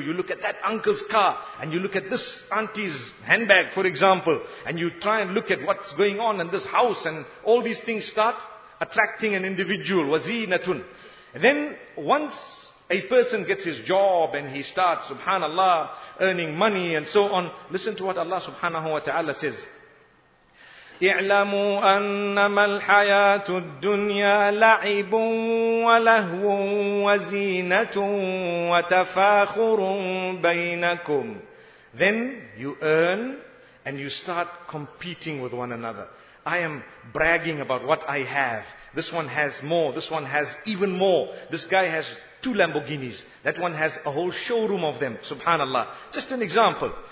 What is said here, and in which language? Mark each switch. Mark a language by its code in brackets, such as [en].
[en] You look at that uncle's car, and you look at this auntie's handbag, for example, and you try and look at what's going on in this house, and all these things start attracting an individual. Wazinatun. Then, once a person gets his job, and he starts, subhanallah, earning money, and so on, listen to what Allah subhanahu wa ta'ala says. [ar] اعلموا أنما الحياة الدنيا لعب ولهو وزينة وتفاخر بينكم. [en] Then you earn and you start competing with one another. I am bragging about what I have. This one has more. This one has even more. This guy has 2 Lamborghinis. That one has a whole showroom of them. Subhanallah. Just an example.